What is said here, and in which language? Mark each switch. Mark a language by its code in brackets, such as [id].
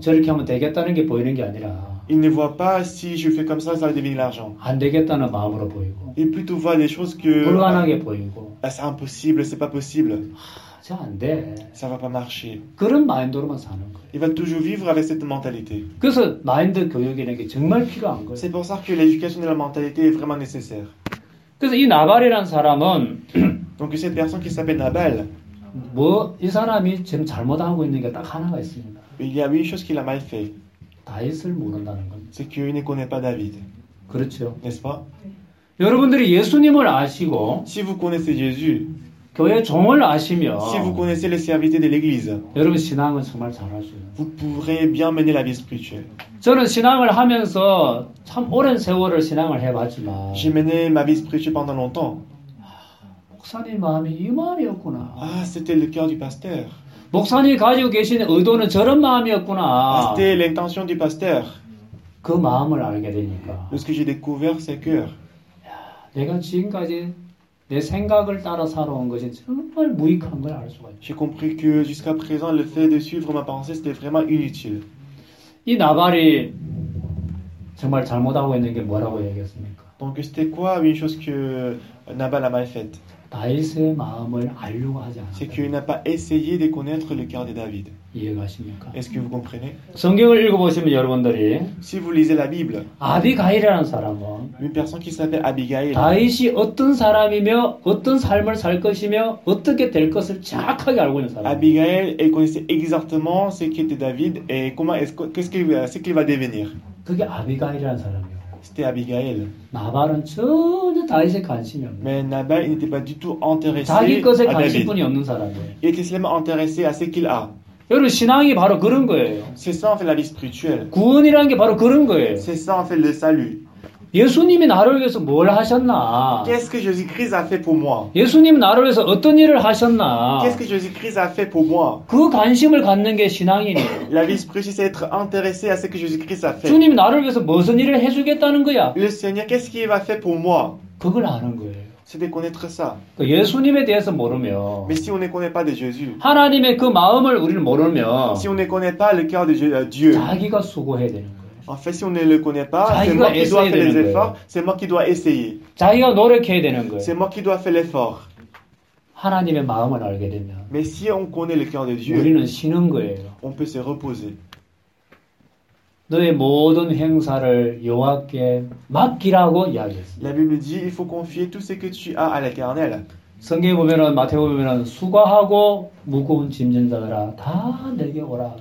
[ko] 저렇게 하면 되겠다는 게 보이는 게 아니라 [fr] Ils ne voient pas si je fais comme ça, ça va devenir l'argent. [ko] 안 되겠다는 마음으로 보이고 [fr] Ils plutôt voient des choses que [ko] 불가능하게 보이고 [fr] Ah, c'est impossible, c'est pas possible. [ko] 아, 저 안 돼. [fr] Ça va pas marcher. [ko] 그런 마인드로만 사는 거예요. [fr] Ils vont toujours vivre avec cette mentalité. [ko] 그래서 마인드 교육이라는 게 정말 필요한 거예요. [fr] C'est pour ça que l'éducation de la mentalité est vraiment nécessaire. [ko] 그래서 이 나발이라는 사람은 [fr] Donc cette personne qui s'appelle Nabal [ko] 뭐 이 사람이 지금 잘못하고 있는 게 딱 하나가 있습니다. [fr] Il y a une chose qu'il a mal fait. [ko] 다윗을 모른다는 겁니다. [fr] C'est qu'il ne connaît pas David. [ko] 그렇죠. [fr] N'est-ce pas? [ko] 여러분들이 예수님을 아시고 [fr] Si vous connaissez Jésus [ko] 교회 종을 아시면 [fr] Si vous connaissez les serviteurs de l'église [ko] 여러분 신앙은 정말 잘하셔요. [fr] Vous pourrez bien mener la vie spirituelle. [ko] 저는 신앙을 하면서 참 오랜 세월을 신앙을 해봤지만 [fr] J'ai mené ma vie spirituelle pendant longtemps. [ko] 목사님 마음이 이 마음이었구나. [fr] Ah, c'était le cœur du pasteur. [ko] 목사님 가지고 계신 의도는 저런 마음이었구나. [fr] Ah, c'était l'intention du pasteur. [ko] 그 마음을 알게 되니까. [fr] Lorsque j'ai découvert ce cœur. [ko] 내가 지금까지 내 생각을 따라 살아온 것이 정말 무익한 걸 알 수가 있어. [fr] J'ai compris que jusqu'à présent le fait de suivre ma pensée c'était vraiment inutile. [ko] 이 나발이 정말 잘못하고 있는 게 뭐라고 얘기했습니까? [fr] Donc c'était quoi une chose que Nabal a mal faite? [ko] 다윗의 마음을 알려고 하지 않았다. [fr] C'est qu'il n'a pas essayé de connaître le cœur de David. [ko] 이해하십니까? [fr] Est-ce que vous comprenez? [ko] 성경을 읽어보시면 여러분들이 [fr] Si vous lisez la Bible, [ko] 아비가일이라는 사람은 [fr] une personne qui s'appelle Abigail. [ko] 다윗이 어떤 사람이며 어떤 삶을 살 것이며 어떻게 될 것을 정확하게 알고 있는 사람. [fr] Abigail, elle connaissait exactement ce qu'était David et comment est-ce qu'est-ce qu'il va devenir. [ko] 그게 아비가일이라는 사람이요. [fr] C'était Abigail. [ko] 나발은 전혀 다윗에 관심이 없는. [fr] Mais Nabal n'était pas du tout intéressé. [ko] 자기 것에 관심뿐이 없는 사람이에요. [fr] Il était seulement intéressé à ce qu'il a. [ko] 여러분 신앙이 바로 그런 거예요. [fr] C'est ça en fait la vie spirituelle. [ko] 구원이라는 게 바로 그런 거예요. [fr] C'est ça en fait le salut. [ko] 예수님이 나를 위해서 뭘 하셨나? [fr] Qu'est-ce que Jésus-Christ a fait pour moi? [ko] 예수님 나를 위해서 어떤 일을 하셨나? [fr] Qu'est-ce que Jésus-Christ a fait pour moi? [ko] 그 관심을 갖는 게 신앙이니까. [fr] La vie spirituelle c'est être intéressé à ce que Jésus-Christ a fait. [ko] 주님 나를 위해서 무슨 일을 해 주겠다는 거야? [fr] Le Seigneur qu'est-ce qu'il va faire pour moi? [ko] 그걸 아는 거예요. [fr] C'est de connaître ça. [ko] 그 예수님에 대해서 모르면 [fr] Mais si on ne connaît pas de Jésus. [ko] 하나님의 그 마음을 우리는 모르면 [fr] Si on ne connaît pas le cœur de Dieu. [ko] 자기가 수고해야 되는 거야. [fr] En fait, si on ne le connaît pas, c'est moi qui dois faire les efforts, c'est moi qui dois essayer. [ko] 자기가 노력해야 되는 거예요. [fr] C'est moi qui dois faire l'effort. [ko] 하나님의 마음을 알게 되면 [fr] Mais si on connaît le cœur de Dieu, [ko] 우리는 쉬는 거예요. [fr] On peut se reposer. [ko] 너의 모든 행사를 여호와께 맡기라고 이야기했어요. [fr] La Bible dit, il faut confier tout ce que tu as à l'Éternel. [ko] 성경에 보면은 마태복음 보면은 수고하고 무거운 짐진 자들아 다 내게 오라.